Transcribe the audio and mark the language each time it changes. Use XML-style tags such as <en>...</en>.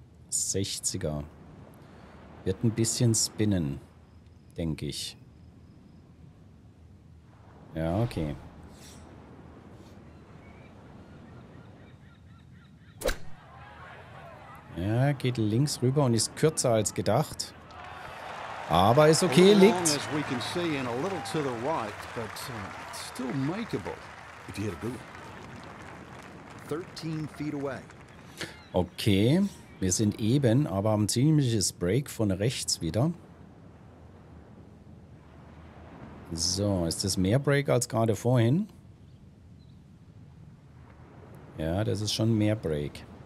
<de>60er. Wird ein bisschen spinnen, denke ich. Ja, okay. Ja, geht links rüber und ist kürzer als gedacht. Aber ist okay, liegt.</de> <en>As we can see, and a little to the right, but still makeable if you had a good one. 13 feet away.</en> <de>Okay, wir sind eben, aber haben ziemliches Break von rechts wieder. So, ist das mehr Break als gerade vorhin? Ja, das ist schon mehr Break.</de>